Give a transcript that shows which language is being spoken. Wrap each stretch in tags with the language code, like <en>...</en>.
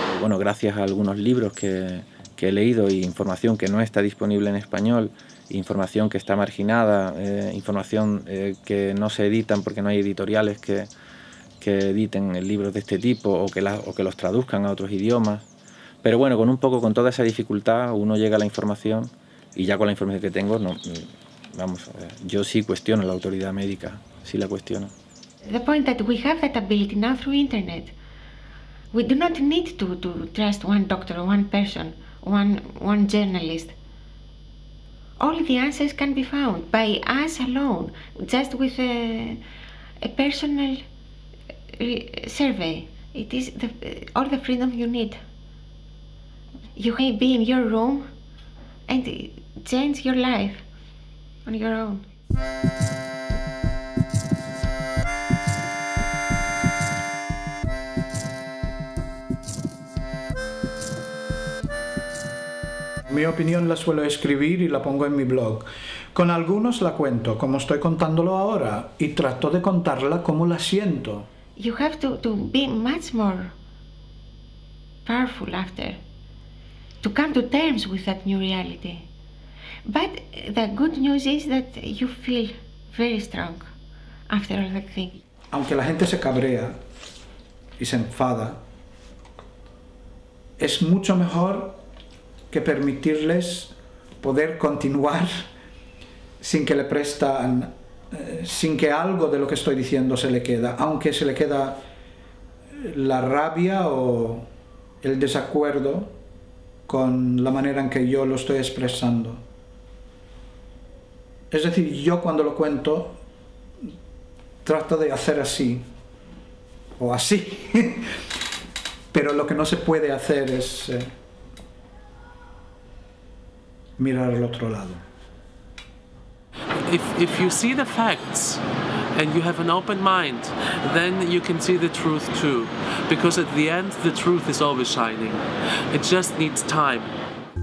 <es>Bueno, gracias a algunos libros que he leído y información que no está disponible en español, información que está marginada, información que no se editan porque no hay editoriales que editen libros de este tipo o que los traduzcan a otros idiomas. Pero bueno, con toda esa dificultad uno llega a la información, y ya con la información que tengo, no, vamos, yo sí cuestiono la autoridad médica, sí la cuestiono.</es> <en>The point that we have that ability now through internet, we do not need to trust one doctor, one person, one journalist. All the answers can be found by us alone, just with a personal survey. It is all the freedom you need. You can be in your room and change your life on your own.</en> <es>Mi opinión la suelo escribir y la pongo en mi blog. Con algunos la cuento, como estoy contándolo ahora, y trato de contarla como la siento.</es> <en>You have to be much more powerful after, to come to terms with that new reality. But the good news is that you feel very strong after all that thing.</en> <es>Aunque la gente se cabrea y se enfada, es mucho mejor que permitirles poder continuar sin que le prestan, sin que algo de lo que estoy diciendo se le queda, aunque se le queda la rabia o el desacuerdo con la manera en que yo lo estoy expresando. Es decir, yo cuando lo cuento trato de hacer así o así, pero lo que no se puede hacer es mirar al otro lado.</es> <en>If you see the facts and you have an open mind, then you can see the truth too, because at the end the truth is always shining. It just needs time.</en>